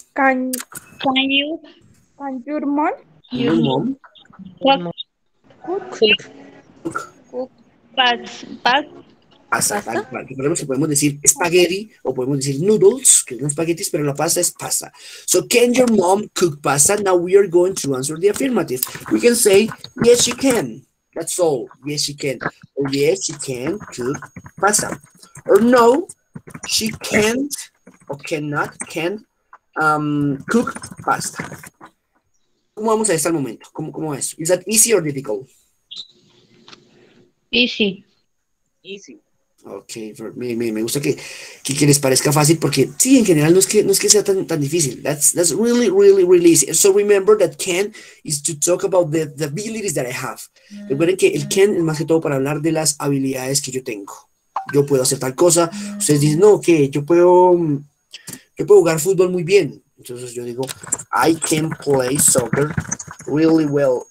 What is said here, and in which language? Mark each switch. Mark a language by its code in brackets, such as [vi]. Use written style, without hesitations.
[en] Can your mom? Your mom. Cook. Pasta. Pasta. [es] Podemos decir spaghetti o podemos decir noodles, que son espaguetis, pero la pasta es pasta. [en] So can your mom cook pasta? Now we are going to answer the affirmative. We can say yes, she can. That's all. Yes, she can. Or yes, she can cook pasta. Or no, she can't or cannot can. Cook pasta. [es] ¿Cómo vamos a estar al momento? ¿Cómo es? [en] Is that easy or difficult? Easy. [es] Okay, me gusta que les parezca fácil porque sí, en general no es que sea tan difícil. [en] That's really, really, really easy. So remember that can is to talk about the abilities that I have. Mm-hmm. [es] Recuerden que el can es más que todo para hablar de las habilidades que yo tengo. Yo puedo hacer tal cosa. Mm-hmm. Ustedes dicen, no, que okay, yo puedo jugar fútbol muy bien. [en] Entonces yo digo, I can play soccer really well.